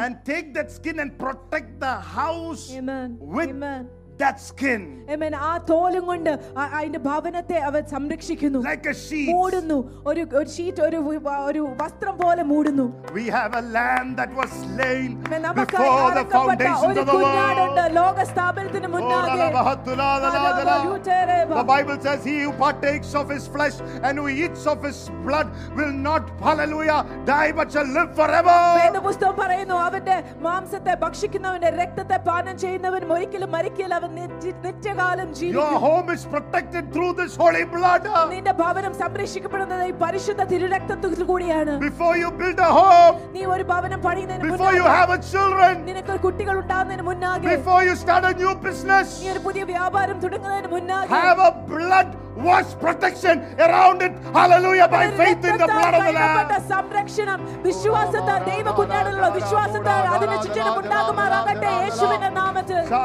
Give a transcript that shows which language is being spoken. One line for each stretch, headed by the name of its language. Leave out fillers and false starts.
English: And take that skin and protect the house. Amen. With Amen. That skin. Amen.
Malayalam: ആ തോലും കൊണ്ട് അതിന്റെ ഭവനത്തെ അവൻ സംരക്ഷിക്കുന്നു.
English: Like a sheet.
Malayalam: മൂടുന്നു. ഒരു ഒരു ഷീറ്റ്, ഒരു ഒരു വസ്ത്രം പോലെ മൂടുന്നു.
English: We have a lamb that was slain before the foundations of the world.
Malayalam: ലോക സ്ഥാപനത്തിന് മുന്നാകെ.
English: The Bible says he who partakes of his flesh and who eats of his blood will not, hallelujah, die but shall live forever.
Malayalam: വേദപുസ്തകം പറയുന്നു, അവന്റെ മാംസത്തെ ഭക്ഷിക്കുന്നവന്റെ രക്തത്തെ പാനം ചെയ്യുന്നവൻ ഒരിക്കലും മരിക്കില്ല.
English: Your home is protected through this holy blood.
Malayalam: നിന്റെ ഭവനം സംരക്ഷിക്കപ്പെടുന്നത് ഈ പരിശുദ്ധ തിരുരക്തത്തിൽ കൂടിയാണ്.
English: Before you build a home,
Malayalam: നീ ഒരു ഭവനം പണിയുന്നതിന് മുൻപ്,
English: before you have a children,
Malayalam: നിനക്ക് കുട്ടികൾ ഉണ്ടാകുന്നതിന് മുൻപാകെ,
English: before you start a new business,
Malayalam: നീ ഒരു പുതിയ വ്യാപാരം തുടങ്ങുന്നതിന് മുൻപാകെ,
English: have a blood wash protection around it, hallelujah, by faith in the blood of the lamb.
Malayalam: സംരക്ഷണം വിശ്വാസത്താൽ, ദൈവകുഞ്ഞാടിലുള്ള വിശ്വാസത്താൽ അതിനെ ചുറ്റിലും ഉണ്ടാകുമാറാകട്ടെ യേശുവിന്റെ നാമത്തിൽ.